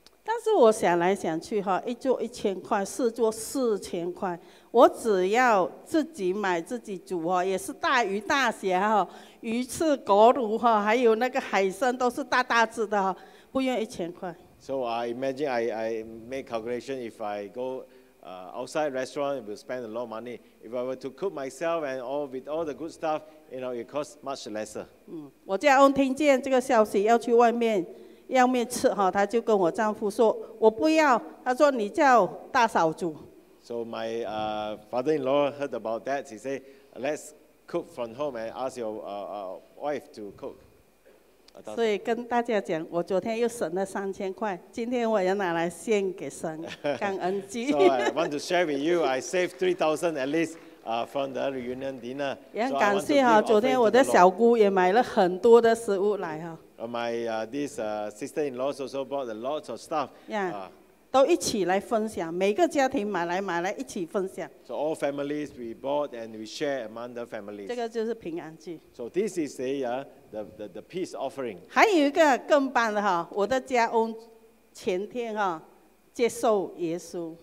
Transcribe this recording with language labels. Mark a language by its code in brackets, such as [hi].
[zh] 但是我想来想去哈，一座一千块，四座四千块，我只要自己买自己煮哈，也是大鱼大虾哈，鱼翅果卤哈，还有那个海参都是大大只的哈，不用一千块。 [en] So I imagine I make calculation if I go outside restaurant, it will spend a lot of money. If I were to cook myself and all with all the good stuff, you know, it costs much lesser. [zh] 我家翁听见这个消息要去外面。要面吃哈，他就跟我丈夫说：“我不要。” 他说：“你叫大嫂煮。” [en] So my father-in-law heard about that. He said, "Let's cook from home and ask your wife to cook." [zh] 所以跟大家讲，我昨天又省了三千块，今天我要拿来献给神，感恩祭。 [en] So I want to share with you, I saved 3,000 at least. From the reunion dinner. [zh] 也很感谢哈，昨天我的小姑也买了很多的食物来哈。 [en] My sister-in-law also bought a lot of stuff. Yeah. [zh] 都一起来分享，每个家庭买来一起分享。 [en] So all families we bought and we share among the families. [zh] 这个就是平安祭。 [en] So this is the peace offering. [zh] 还有一个更棒的哈，我的家翁前天哈接受耶稣。